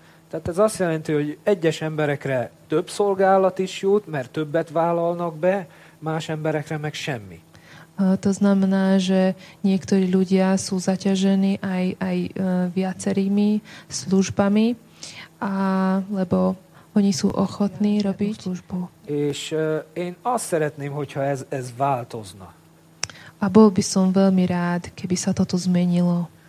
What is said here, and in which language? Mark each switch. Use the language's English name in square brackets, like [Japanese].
[Hungarian] Tehát ez azt jelenti, hogy egyes emberekre több szolgálat is jut, mert többet vállalnak be, más emberekre meg semmi. [Slovak] To znamená, že niektorí ľudia sú zaťažení aj viacerými službami, lebo oni sú ochotní robiť službu. [Hungarian] És én azt szeretném, hogyha ez változna. [Slovak] A bol by som veľmi rád, keby sa toto zmenilo.